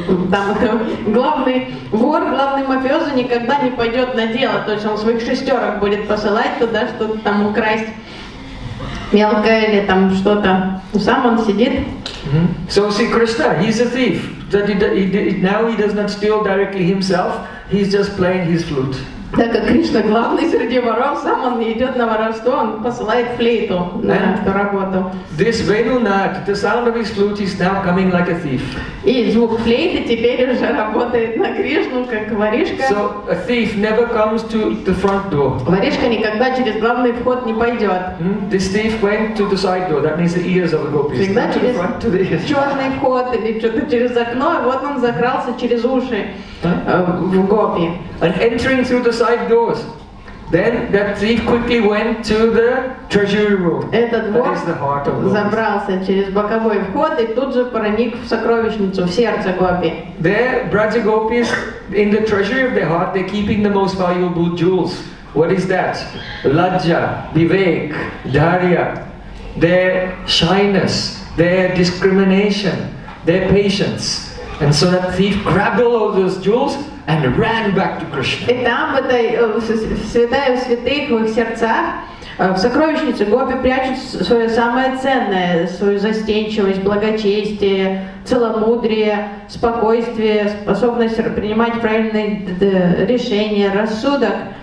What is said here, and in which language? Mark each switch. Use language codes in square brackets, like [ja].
[ru] Там главный вор, главный мафиози никогда не пойдет на дело. То есть он своих шестерок будет посылать туда, чтобы там украсть мелкое или там что-то. Сам он сидит. [en] So see Krishna, he's a thief. Now he does not steal directly himself. He's just playing his flute. [ru] Так как Кришна главный среди воров, сам он не идет на воровство, он посылает флейту на эту работу. [en] This Venu Nad, the sound of his flute is now coming like a thief. [ru] И звук флейты теперь уже работает на Кришну как воришка. [en] So a thief never comes to the front door. [ru] Воришка никогда через главный вход не пойдет. [en] This thief went to the side door. That means the ears of a gopi. [ru] Всегда [en] not [ru] через [en] to the front, to the ears. [ru] Черный вход или что-то через окно, и вот он закрался через уши в гопи. [en] And entering through the side doors, then that thief quickly went to the treasury room. [ru] Этот вор забрался через боковой вход и тут же проник в сокровищницу, в сердце гопи. [en] There, Braja gopis, in the treasury of their heart, they're keeping the most valuable jewels. What is that? Lajja, Vivek, Dharya, their shyness, their discrimination, their patience. And so that thief grabbed all of those jewels and ran back to Krishna. [ru] И там, в этой святая святых, в их сердцах, в сокровищнице гопи прячут свое самое ценное, свою застенчивость, благочестие, целомудрие, спокойствие, способность принимать правильные решения, рассудок.